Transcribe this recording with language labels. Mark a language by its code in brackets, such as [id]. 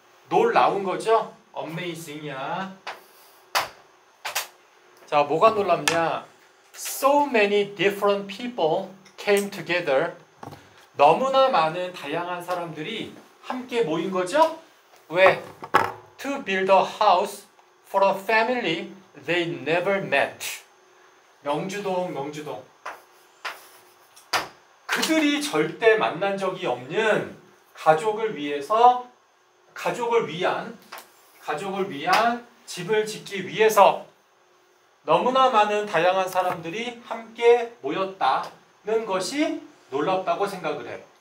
[ko] 놀라운 거죠? amazing이야. 자, 뭐가 놀랍냐? [en] So many different people came together. [ko] 너무나 많은 다양한 사람들이 함께 모인 거죠? 왜? [en] To build a house for a family they never met. [ko] 명주동. 그들이 절대 만난 적이 없는 가족을 위한 집을 짓기 위해서 너무나 많은 다양한 사람들이 함께 모였다는 것이 놀랍다고 생각을 해요.